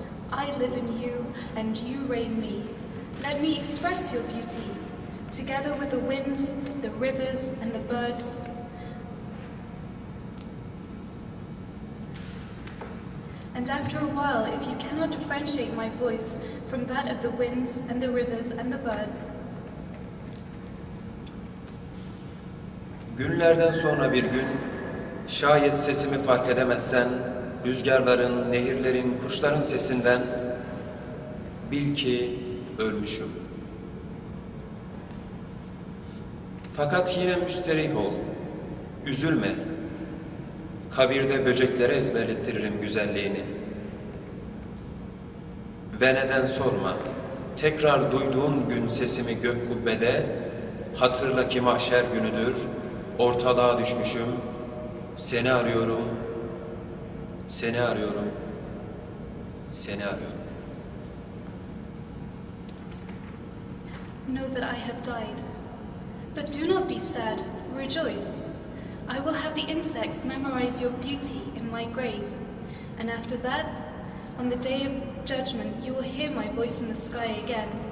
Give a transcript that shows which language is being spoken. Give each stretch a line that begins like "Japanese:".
English: I live in you, and you reign me. Let me express your beauty, together with the winds, the rivers, and the birds. And after a while, if you cannot differentiate my voice from that of the winds and the rivers and the birds,
Turkish: günlerden sonra bir gün, şayet sesimi fark edemezsen, rüzgarların, nehirlerin, kuşların sesinden, bil ki ölmüşüm. Fakat yine müsterih ol, üzülme. Kabirde böceklere ezberlettiririm güzelliğini. Ve neden sorma, tekrar duyduğun gün sesimi gök kubbede, hatırla ki mahşer günüdür, ortalığa düşmüşüm, seni arıyorum, seni arıyorum, seni arıyorum.
English: Know that I have died, but do not be sad, rejoice. I will have the insects memorize your beauty in my grave, and after that, on the day of judgment, you will hear my voice in the sky again.